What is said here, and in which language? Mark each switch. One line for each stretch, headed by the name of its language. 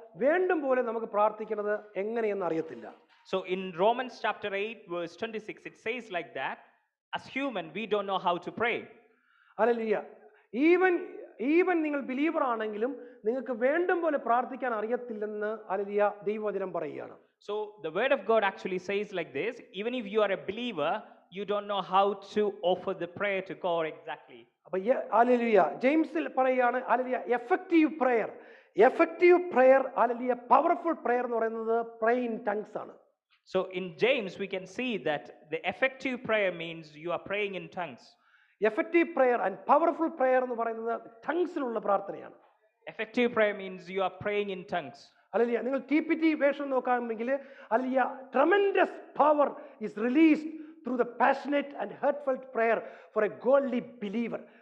Malayalam: വേണ്ടും പോലെ നമുക്ക് പ്രാർത്ഥിക്കുന്നത് എങ്ങനെയെന്ന് അറിയത്തില്ല.
English: So in Romans 8:26, it says like that. As human, we don't know how to pray. Hallelujah.
Malayalam: Even നിങ്ങൾ ബിലീവർ ആണെങ്കിലും നിങ്ങൾക്ക് വേണ്ടും പോലെ പ്രാർത്ഥിക്കാൻ അറിയത്തില്ലെന്ന് ഹല്ലേലൂയ ദൈവവചനം പറയുകയാണ്.
English: So the word of God actually says like this, even if you are a believer, you don't know how to offer the prayer to God exactly.
Malayalam: അപ്പോൾ hallelujah James പറയുകയാണ് hallelujah effective prayer hallelujah powerful prayer എന്ന് പറയുന്നത് പ്രേ in tongues ആണ്.
English: So in James we can see that the effective prayer means you are praying in tongues. Effective prayer and powerful prayer
Malayalam: ennu parayunnathu tongues illulla prarthanayanu.
English: Effective prayer means you are praying in tongues. Hallelujah.
Malayalam: Ningal TPT version nokkanengil
English: hallelujah tremendous power is released through the passionate and heartfelt prayer for a godly believer.